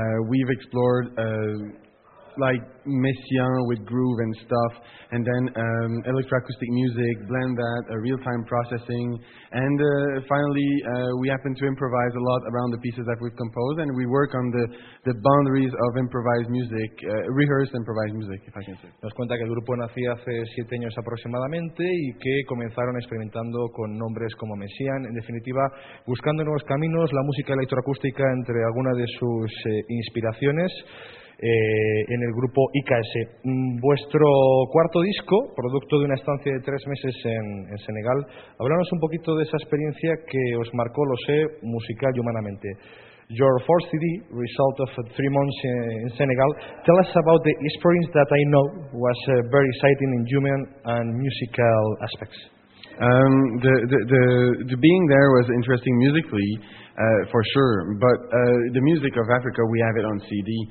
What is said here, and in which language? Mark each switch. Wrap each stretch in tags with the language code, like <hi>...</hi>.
<en>We've explored like Messiaen with groove and stuff, and then electroacoustic music, blend that, real-time processing, and finally we happen to improvise a lot around the pieces that we've composed, and we work on the boundaries of improvised music, rehearsed improvised music, if I can say.</en> <es>Nos cuenta que el grupo nació hace 7 años aproximadamente y que comenzaron experimentando con nombres como Messiaen, en definitiva buscando nuevos caminos, la música electroacústica entre algunas de sus inspiraciones. En el grupo IKS. Vuestro cuarto disco, producto de una estancia de 3 meses en Senegal, háblanos un poquito de esa experiencia que os marcó, lo sé, musical y humanamente.</es> <en>Your fourth CD, result of 3 months in Senegal, tell us about the experience that I know was very exciting in human and musical aspects. The being there was interesting musically, for sure, but the music of Africa, we have it on CD.</en>